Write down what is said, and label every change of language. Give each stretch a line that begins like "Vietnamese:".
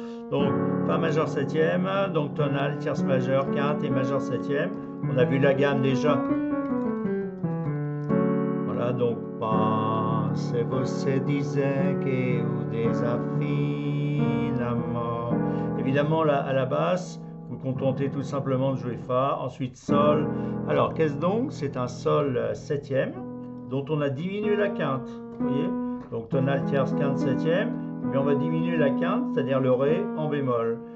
French: Donc, Fa majeur septième, donc tonal, tierce majeure, quinte et majeur septième. On a vu la gamme déjà. Voilà, donc,
Portuguese: Se você disser que eu desafino amor.
French: Évidemment, là, à la basse, vous contentez tout simplement de jouer Fa, ensuite Sol. Alors, qu'est-ce donc? C'est un Sol septième, dont on a diminué la quinte. Vous voyez? Donc tonale, tierce, quinte, septième, mais on va diminuer la quinte, c'est-à-dire le ré en bémol.